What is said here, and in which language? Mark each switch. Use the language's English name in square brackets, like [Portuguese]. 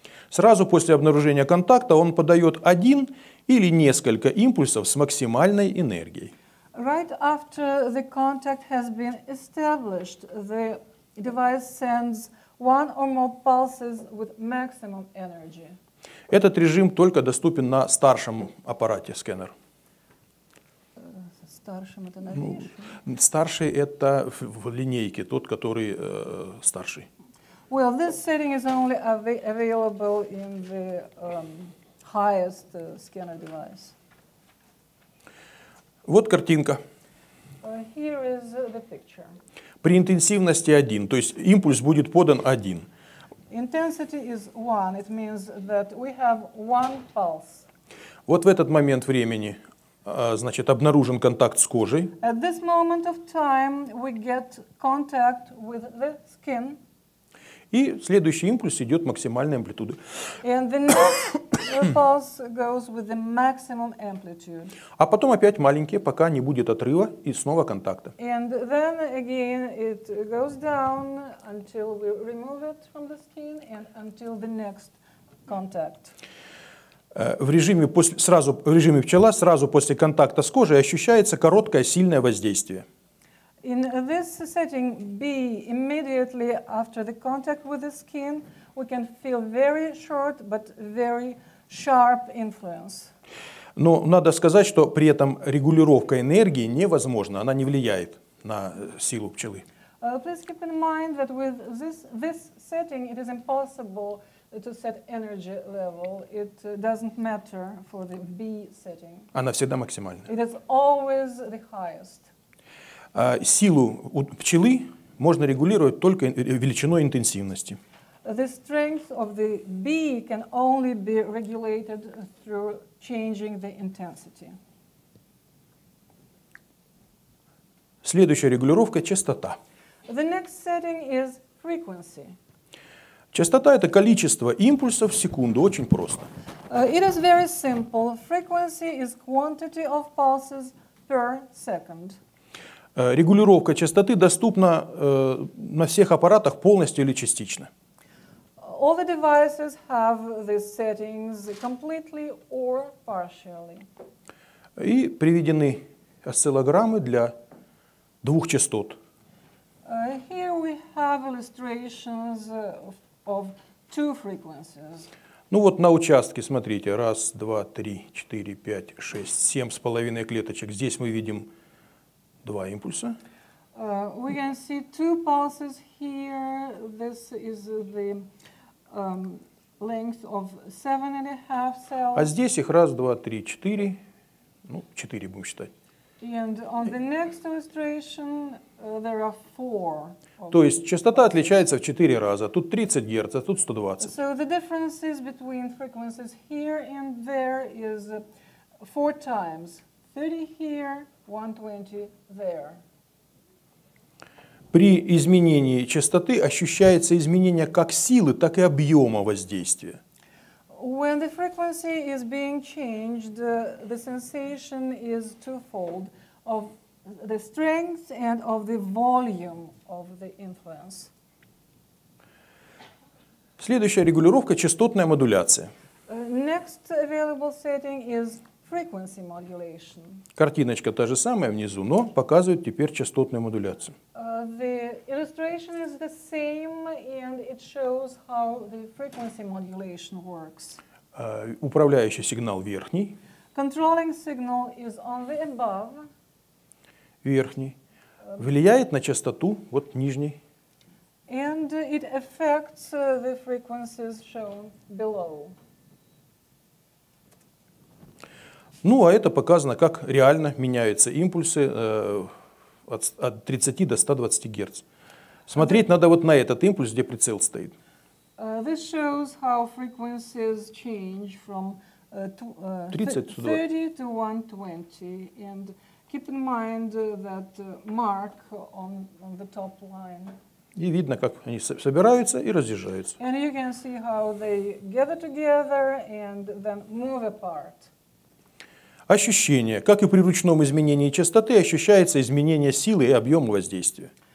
[Russian] Сразу после обнаружения контакта он подает один или несколько импульсов с максимальной энергией. [English] Right after the contact has been established, the device sends one or more pulses with maximum energy. [Russian] Этот режим только доступен на старшем аппарате сканер. Старшим это новейший? Ну, старший это в линейке, тот, который старший. [English] Well, this setting is only available in the highest scanner device. [Russian] Вот картинка. [English] Here is the picture. [Russian] При интенсивности один, то есть импульс будет подан один. [English] Intensity is one. It means that we have one pulse. [Russian] Вот в этот момент времени, значит, обнаружен контакт с кожей. [English] At this moment of time, we get contact with the skin. [Russian] И следующий импульс идет максимальной амплитуды. [English] And the next pulse goes with the maximum amplitude. [Russian] А потом опять маленькие, пока не будет отрыва и снова контакта. [English] And then again it goes down until we remove it from the skin and until the next contact. [Russian] В режиме пчела сразу после контакта с кожей ощущается короткое сильное воздействие. [English] In this setting B, immediately after the contact with the skin, we can feel very short but very sharp influence. [Russian] Но надо сказать, что при этом регулировка энергии невозможна, она не влияет на силу пчелы. [English] Please keep in mind that with this setting, it is impossible to set energy level. It doesn't matter for the B setting. [Russian] Она всегда максимальная. [English] It is always the highest. [Russian] Силу у пчелы можно регулировать только величиной интенсивности. [English] The strength of the bee can only be regulated through changing the intensity. [Russian] Следующая регулировка — частота. [English] The next setting is frequency. [Russian] Частота — это количество импульсов в секунду. Очень просто. [English] It is very simple. Frequency is quantity of pulses per second. [Russian] Регулировка частоты доступна на всех аппаратах полностью или частично. [English] All the devices have the settings completely or partially. [Russian] И приведены осциллограммы для двух частот. [English] Here we have illustrations of two frequencies. [Russian] Ну вот на участке, смотрите, 1, 2, 3, 4, 5, 6, 7,5 клеточек. Здесь мы видим 2 импульса. [English] We can see 2 pulses here. This is the length of 7.5 cells. [Russian] А здесь их 1, 2, 3, 4. Ну, 4 будем считать. [English] And on the next illustration there are 4. [Russian] То есть частота отличается в 4 раза. Тут 30 Гц, а тут 120. [English] So the differences between frequencies here and there is 4 times. 30 here. 120 there. [Russian] При изменении частоты ощущается изменение как силы, так и объема воздействия. [English] When the frequency is being changed, the sensation is twofold, of the strength and of the volume of the influence. [Russian] Следующая регулировка — частотная модуляция. [English] Next available setting is frequency modulation. [Russian] Картиночка та же самая внизу, но показывает теперь частотную модуляцию. [English] The illustration is the same and it shows how the frequency modulation works. [Russian] Управляющий сигнал верхний. [English] Controlling signal is on the above. [Russian] Верхний. Влияет на частоту, вот нижний. [English] And it affects the frequencies shown below. [Russian] Ну, а это показано, как реально меняются импульсы от 30 до 120 Гц. Смотреть надо вот на этот импульс, где прицел стоит. [English] This shows how frequencies change from 30 to 120. And keep in mind that mark on the top line. [Russian] И видно, как они собираются и разъезжаются. [English] And you can see how they gather together and then move apart. [Russian] Ощущение. Как и при ручном изменении частоты, ощущается изменение силы и объема воздействия.